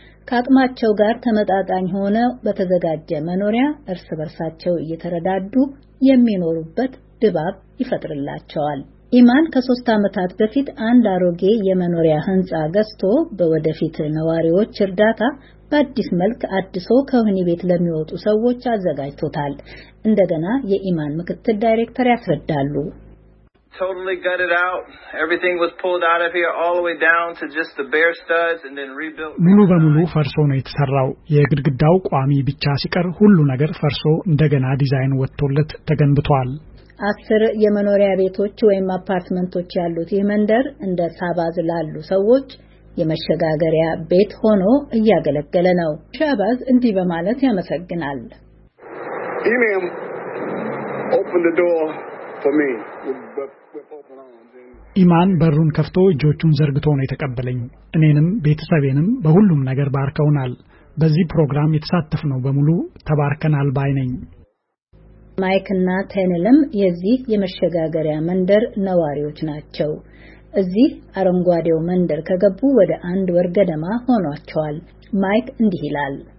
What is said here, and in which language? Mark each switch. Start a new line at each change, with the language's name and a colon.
Amharic: ከአቅማቸው ጋር ተመጣጣኝ ሆነ በተዘጋጀ መኖሪያ እርስ በርሳቸው እየተረዳዱ የሚኖሩበት ድባብ ይፈጥርላቸዋል። ኢማን ከሶስት ዓመታት በፊት አንድ አሮጌ የመኖሪያ ህንፃ ገዝቶ በወደፊት ነዋሪዎች እርዳታ በአዲስ መልክ አድሶ ከወህኒ ቤት ለሚወጡ ሰዎች አዘጋጅቶታል። እንደገና የኢማን ምክትል ዳይሬክተር ያስረዳሉ።
English: Totally gutted out. Everything was pulled out of here all the way down to just the bare studs and then rebuilt.
Amharic: ሙሉ በሙሉ ፈርሶ ነው የተሰራው። የግድግዳው ቋሚ ብቻ ሲቀር ሁሉ ነገር ፈርሶ እንደገና ዲዛይን ወጥቶለት ተገንብቷል። 10 የመኖሪያ ቤቶች ወይም አፓርትመንቶች ያሉት ይህ መንደር እንደ ሳባዝ ላሉ ሰዎች የመሸጋገሪያ ቤት ሆኖ እያገለገለ ነው። ሻባዝ እንዲህ በማለት ያመሰግናል።
English: ኢማን opened the door for me.
Amharic: ኢማን በሩን ከፍቶ እጆቹን ዘርግቶ ነው የተቀበለኝ። እኔንም ቤተሰቤንም በሁሉም ነገር ባርከውናል። በዚህ ፕሮግራም የተሳተፍነው በሙሉ ተባርከናል ባይ ነኝ። ማይክ እና ቴንልም የዚህ የመሸጋገሪያ መንደር ነዋሪዎች ናቸው። እዚህ አረንጓዴው መንደር ከገቡ ወደ አንድ ወር ገደማ ሆኗቸዋል። ማይክ እንዲህ ይላል።